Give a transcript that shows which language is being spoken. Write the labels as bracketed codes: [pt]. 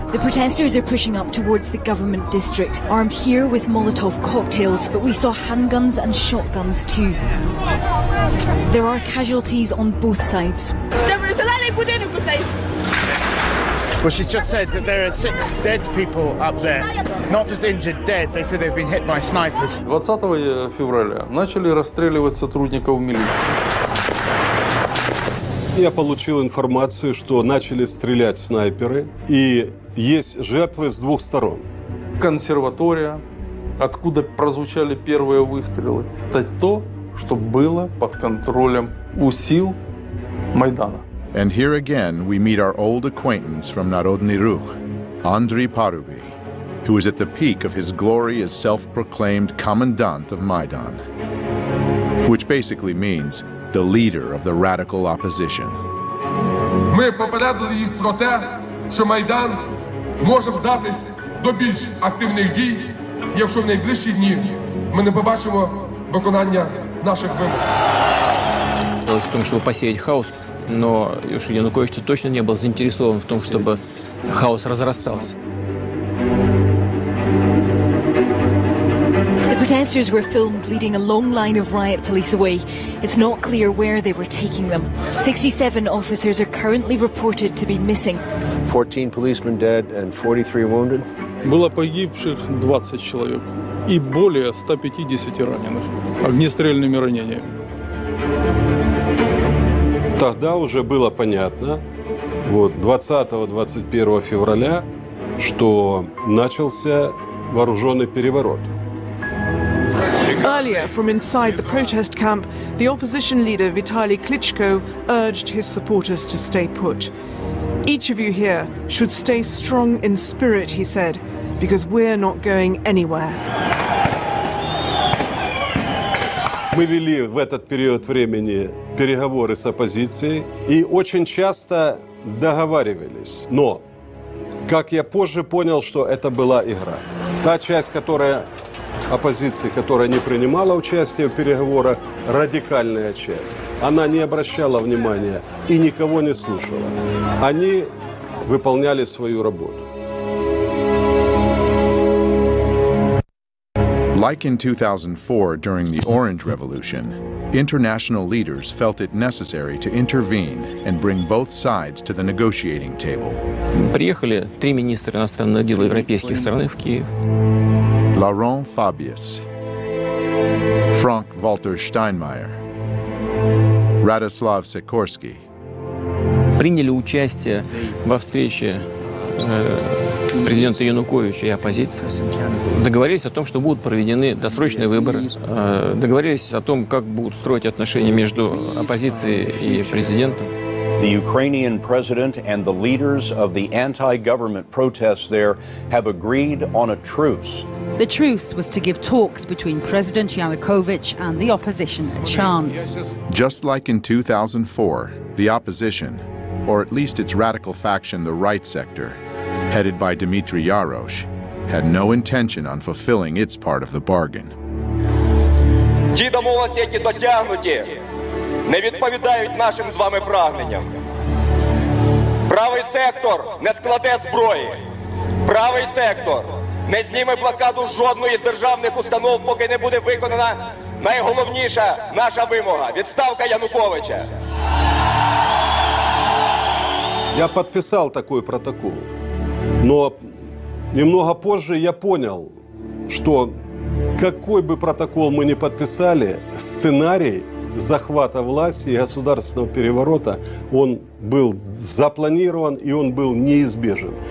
[en] The protesters are pushing up towards the government district, armed here with Molotov cocktails, but we saw handguns and shotguns too. There are casualties on both sides. Well, she's just said that there are six dead people up there. Not just injured, dead. They say they've been hit by snipers. [ru] 20 февраля начали расстреливать сотрудников милиции. Я получил информацию, что начали стрелять снайперы, и есть жертвы с двух сторон. Консерватория, откуда прозвучали первые выстрелы, это то, что было под контролем у сил Майдана. [en] And here again we meet our old acquaintance from Народный рух, Андрей Паруби, who is at the peak of his glory as self-proclaimed commandant of Майдан, which basically means the leader of the radical opposition. [uk] Ми попередили їх про те, що Майдан може вдатись до більш активних дій, якщо в найближчі дні ми не побачимо виконання наших вимог. В тому, щоб посіяти хаос, но що Янукович точно не був заінтересован в тому, щоб хаос розростався. [en] Protesters were filmed leading a long line of riot police away. It's not clear where they were taking them. 67 officers are currently reported to be missing. 14 policemen dead and 43 wounded. [uk] Було [ru] погибших 20 [uk] чоловік і [ru] более 150 ранених огнестрельными ранениями. Тогда уже было понятно, вот 20-21 февраля, что начался вооруженный переворот. [en] Earlier, from inside the protest camp, the opposition leader Vitali Klitschko urged his supporters to stay put. Each of you here should stay strong in spirit, he said, because we're not going anywhere. [ru] Мы вели в этот период времени переговоры с оппозицией и очень часто договаривались. Но, как я позже понял, что это была игра. Та часть, которая оппозиции, которая не принимала участие в переговорах, радикальная часть. Она не обращала внимания и никого не слушала. Они выполняли свою работу. [en] Like in 2004 during the Orange Revolution, international leaders felt it necessary to intervene and bring both sides to the negotiating table. [ru] Приехали три министра иностранных дел европейских стран в Киев. Laurent Fabius, Frank-Walter Steinmeier, Radoslav Sikorsky. Приняли участие во встрече президента Януковича и оппозиции. Договорились о том, что будут проведены досрочные выборы. Договорились о том, как будут строить отношения между оппозицией и президентом. [en] The Ukrainian president and the leaders of the anti-government protests there have agreed on a truce. The truce was to give talks between President Yanukovych and the opposition a chance. Just like in 2004, the opposition, or at least its radical faction, the right sector, headed by Dmitry Yarosh, had no intention on fulfilling its part of the bargain. [uk] Не відповідають нашим з вами прагненням. Правий сектор не складе зброї. Правий сектор не зніме блокаду жодної з державних установ, поки не буде виконана найголовніша наша вимога – відставка Януковича. Я підписав такий протокол, [ru] но немного позже я понял, что какой бы протокол мы не подписали, сценарий захвата власти и государственного переворота, он был запланирован и он был неизбежен.